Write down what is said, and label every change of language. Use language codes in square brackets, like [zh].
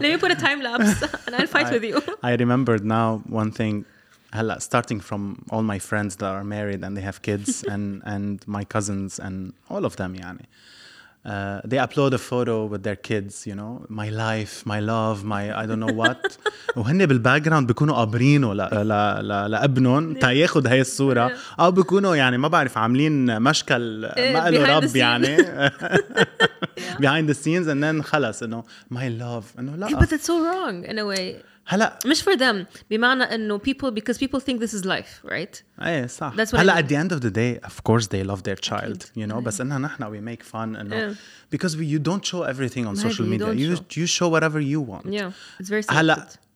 [en] Let me put a time lapse, and I'll fight with you. I remembered now one thing. Starting from all my friends that are married and they have kids and my cousins and all of them, yani, they upload a photo with their kids, you know, my life, my love, my I don't know what. [ar] وهن بالباكراوند بيكونوا قابرينه لابنهم تا ياخذ هاي الصوره او بيكونوا يعني ما بعرف عاملين مشكل ما له رب يعني [en] behind the scenes and then [ar] خلاص انه [en] my love [ar] انه لا [en] but that's so wrong in a way. [ar] هلا [en] مش for them [ar] بمعنى انه [en] people because people think this is life right [ar] اي صح [en] that's what [ar] هلا [en] I mean. At the end of the day of course they love their child you know [ar] بس انها نحن [en] we make fun and because you don't show everything on social media you show whatever you want it's very simple. [ar] هلا